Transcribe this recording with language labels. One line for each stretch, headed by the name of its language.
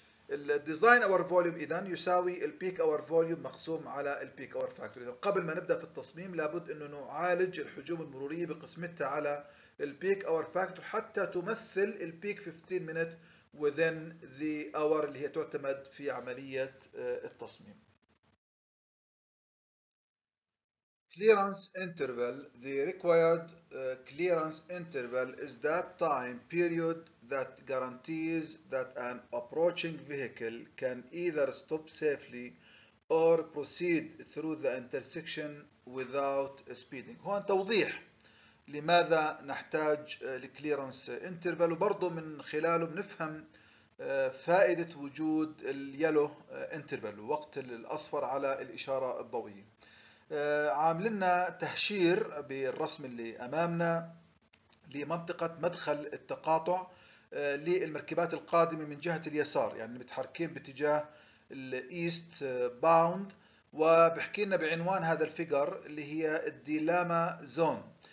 Arabic: الديزاين اور فوليوم اذا يساوي البيك اور فوليوم مقسوم على البيك اور فاكتور. اذا قبل ما نبدا في التصميم لابد انه نعالج الحجوم المروريه بقسمتها على البيك اور فاكتور حتى تمثل البيك 15 مينت
English: within the hour
Arabic: اللي هي تعتمد في عملية التصميم.
English: Clearance interval, the required clearance interval is that time period that guarantees that an approaching vehicle can either stop safely or proceed through the intersection without speeding.
Arabic: هون توضيح لماذا نحتاج الكليرنس انترفال، وبرضه من خلاله بنفهم فائدة وجود اليلو انترفال، وقت الأصفر على الإشارة الضوئية. عاملنا تهشير بالرسم اللي أمامنا لمنطقة مدخل التقاطع للمركبات القادمة من جهة اليسار، يعني متحركين باتجاه الإيست باوند، وبحكي لنا بعنوان هذا الفيجر اللي هي الديلاما زون.